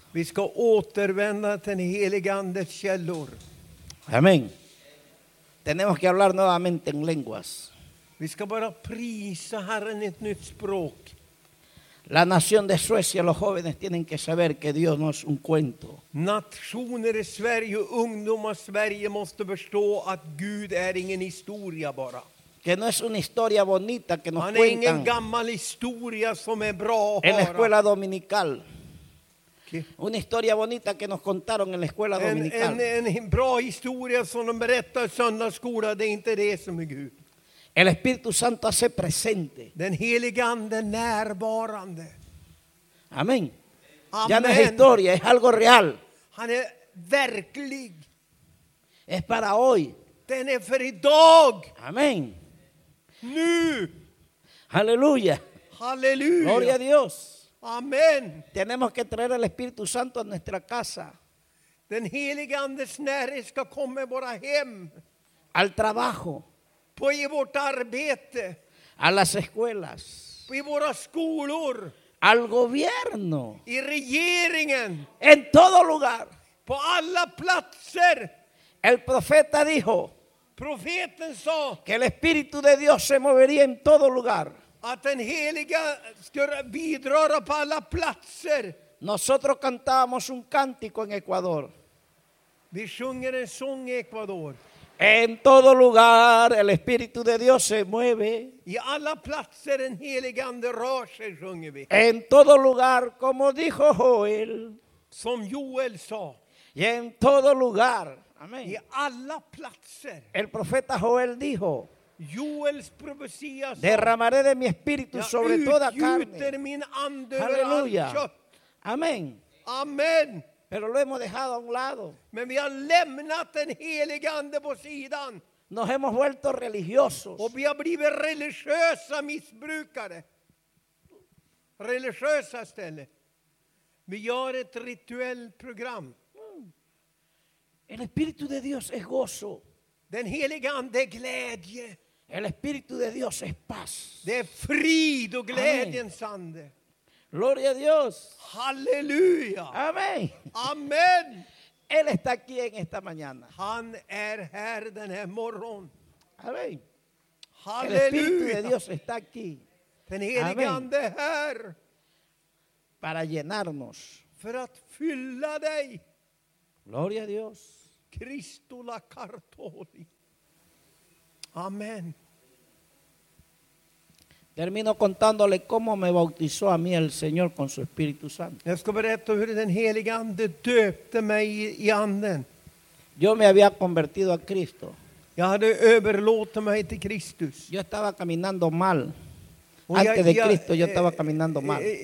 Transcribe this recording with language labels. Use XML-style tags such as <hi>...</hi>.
<sv>Vi ska återvända till den helige andes källor.</sv> <es>Amén. Tenemos que hablar nuevamente en lenguas.</es> <sv>Vi ska bara prisa Herren ett nytt språk.</sv> <es>La nación de Suecia, los jóvenes tienen que saber que Dios no es un cuento.</es> <sv>Nationer i Sverige, ungdomar i Sverige måste förstå att Gud är ingen historia bara.</sv> <es>Que no es una historia bonita que nos han cuentan.</es> <sv>Ingen gammal historia som är bra.</sv> <es>En la escuela dominical. Una historia bonita que nos contaron en la escuela dominical.</es> <sv>En bra historia som de berättar i söndagsskolan, det är inte det som är Gud.</sv> <es>El Espíritu Santo hace presente.</es> <sv>Den helige ande närvarande.</sv> <es>Amén. Ya no es historia, es algo real.</es> <sv>Han är verklig.</sv> <es>Es para hoy.</es> <sv>Den är för idag.</sv> <es>Amén.</es> <sv>Nu.</sv> <es>Aleluya. Aleluya. Gloria a Dios. Amén. Tenemos que traer al Espíritu Santo a nuestra casa.</es> <sv>Den helige andes närhet ska komma i våra hem.</sv> <es>Al trabajo.</es> <sv>På i vårt arbete.</sv> <es>A las escuelas.</es> <sv>I våra skolor.</sv> <es>Al gobierno.</es> <sv>I regeringen.</sv> <es>En todo lugar.</es> <sv>På alla platser.</sv> <es>El profeta dijo.</es> <sv>Profeten sa.</sv> <es>Que el Espíritu de Dios se movería en todo lugar.</es> <sv>Att den heliga skulle bidra på alla platser.</sv> <es>Nosotros cantábamos un cántico en Ecuador.</es> <sv>Vi sjunger en sång i Ecuador.</sv> <es>En todo lugar el Espíritu de Dios se mueve.</es> <sv>Y alla platser en helig ande rör sig, sjunger vi.</sv> <es>En todo lugar, como dijo Joel.</es> <sv>Som Joel sa.</sv> <es>Y en todo lugar.</es> <sv>Amén. Y alla platser.</sv> <es>El profeta Joel dijo.</es> <sv>Joels profecía.</sv> <es>Derramaré de mi espíritu sobre toda carne.</es> <sv>Min ande. Aleluya.</sv> <es>Amén. Amén. Pero lo hemos dejado a un lado.</es> <sv>Men vi har lämnat den helige ande på sidan.</sv> <es>Nos hemos vuelto religiosos.</es> <sv>Och vi har blivit religiösa missbrukare. Religiösa istället. Vi gör ett rituellt program.</sv> <es>El Espíritu de Dios es gozo.</es> <sv>Den helige ande är glädje.</sv> <es>El Espíritu de Dios es paz.</es> <sv>Det är frid och glädjens ande.</sv> <es>Gloria a Dios. Aleluya. Amén. Amén. Él está aquí en esta mañana.</es> <sv>Han är här den här morgon.</sv> <es>Amén. Aleluya. El Espíritu de Dios está aquí.</es> <sv>Den helige ande är här.</sv> <es>Para llenarnos.</es> <sv>För att fylla dig.</sv> <es>Gloria a Dios. Cristo la cartoli. Amén. Termino contándole cómo me bautizó a mí el Señor con su Espíritu Santo.</es> <sv>Jag ska berätta hur den helige ande döpte mig i anden.</sv> <es>Yo me había convertido a Cristo.</es> <sv>Jag hade överlåtit mig till Kristus.</sv> <es>Yo estaba caminando mal. Antes de Cristo yo estaba caminando mal.</es>